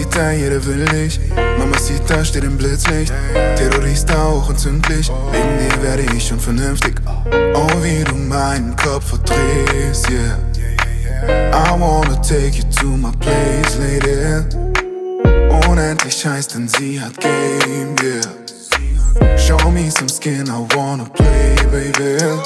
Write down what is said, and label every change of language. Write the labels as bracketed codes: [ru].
[de] Jeder will dich, Mamacita steht im Blitzlicht. Terrorista auch entzündlich. Wegen dir werde ich schon vernünftig. Oh, wie du meinen Kopf verdrehst, yeah. [en] I wanna take you to my place, lady. [de] Unendlich heiß, denn sie hat Game, yeah. [en] Show me some skin, I wanna play, baby.